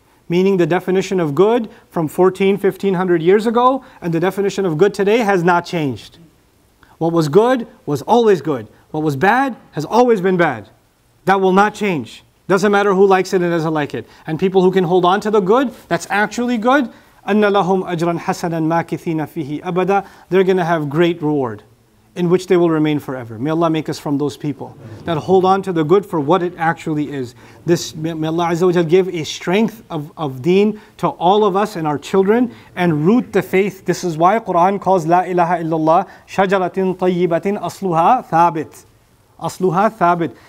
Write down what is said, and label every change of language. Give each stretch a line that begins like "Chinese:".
English: Meaning the definition of good from 1500 years ago and the definition of good today has not changed. What was good was always good. What was bad has always been bad. That will not change. Doesn't matter who likes it and doesn't like it. And people who can hold on to the good, that's actually good.
Arabic: أَنَّ لَهُمْ أَجْرًا حَسَنًا مَاكِثِينَ فِيهِ أَبَدًا.
English: They're going to have great reward in which they will remain forever. May Allah make us from those people that hold on to the good for what it actually is. This, may Allah Azza wa Jal give a strength of deen to all of us and our children and root the faith. This is why Quran calls
Arabic: La ilaha illallah شَجَرَةٍ طَيِّبَةٍ أَصْلُهَا ثَابِتٍ. Asluha thabit.